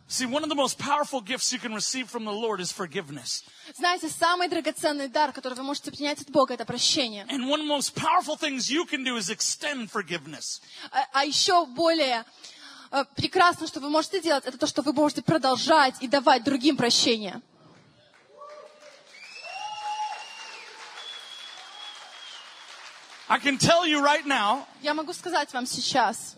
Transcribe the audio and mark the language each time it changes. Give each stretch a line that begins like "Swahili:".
English: See, one of the most powerful gifts you can receive from the Lord is forgiveness.
Russian: Знаете, самый драгоценный дар, который вы можете принять от Бога, это прощение.
English: And one of the most powerful things you can do is extend forgiveness.
Russian: А еще более прекрасно, что вы можете делать, это то, что вы можете продолжать и давать другим прощение.
English: I can tell you right now.
Russian: Я могу сказать вам сейчас.